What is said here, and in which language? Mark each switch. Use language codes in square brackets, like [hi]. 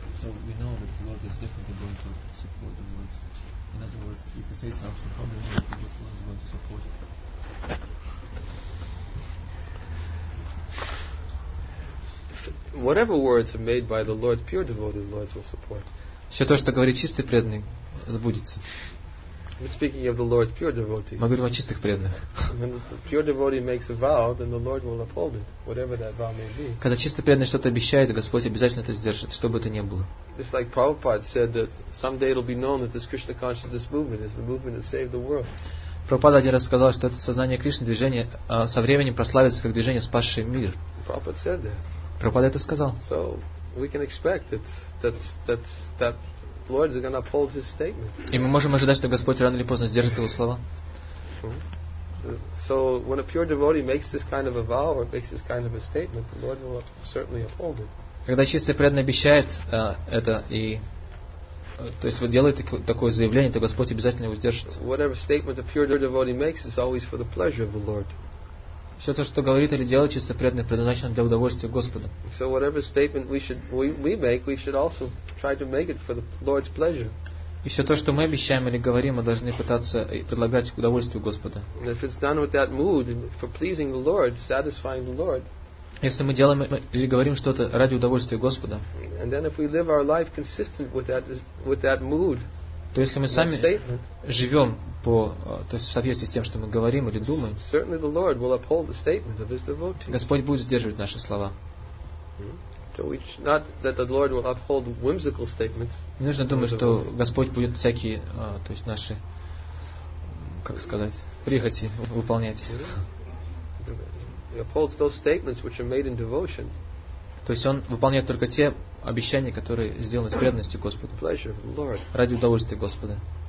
[en] So we know that the Lord is definitely going to support the words. In other words, if you say something from the Lord, the Lord is going to support it. Whatever words are made by the Lord, pure devotee, the Lord will support. [ru] Все то, что говорит чистый преданный, сбудется. [en] We're speaking of the Lord's pure devotees. [ru] Мы говорим о чистых преданных. [en] When a pure devotee makes a vow, then the Lord will uphold it, whatever that vow may be. [ru] Когда чистый преданный что-то обещает, Господь обязательно это сдержит, что бы это ни было. [en] Just like Prabhupada said that someday it'll be known that this Krishna consciousness movement is the movement that saved the world. [ru] Прабхупада один раз сказал, что это сознание Кришны движение со временем прославится как движение, спасшее мир. [en] Prabhupada said that. [ru] Прабхупада это сказал. [en] So we can expect that Lord is going to uphold his statement. [ru] И мы можем ожидать, что Господь рано или поздно сдержит его слова. [en] So when a pure devotee makes this kind of a vow or makes this kind of a statement, the Lord will certainly uphold it. [ru] Когда чистый преданный обещает это и то есть вот делает такое заявление, то Господь обязательно его сдержит. [en] Whatever statement a pure devotee makes is always for the pleasure of the Lord. [ru] Все то, что говорит или делает чисто преданный, предназначено для удовольствия Господа. [en] So whatever statement we should we make, we should also try to make it for the Lord's pleasure. [ru] И все то, что мы обещаем или говорим, мы должны пытаться предлагать к удовольствию Господа. [en] And if it's done with that mood for pleasing the Lord, satisfying the Lord. [ru] Если мы делаем или говорим что-то ради удовольствия Господа. [en] And then if we live our life consistent with that mood. [ru] То есть мы сами живем по, то есть в соответствии с тем, что мы говорим или думаем. [en] Certainly the Lord will uphold the statement of his devotee. [ru] Господь будет сдерживать наши слова. [en] So it's not that the Lord will uphold whimsical statements. [ru] Не нужно думать, что Господь будет всякие, то есть наши, как сказать, прихоти выполнять. [en] He upholds those statements which are made in devotion. [ru] То есть он выполняет только те обещания, которые сделаны с преданностью Господу. Ради удовольствия Господа.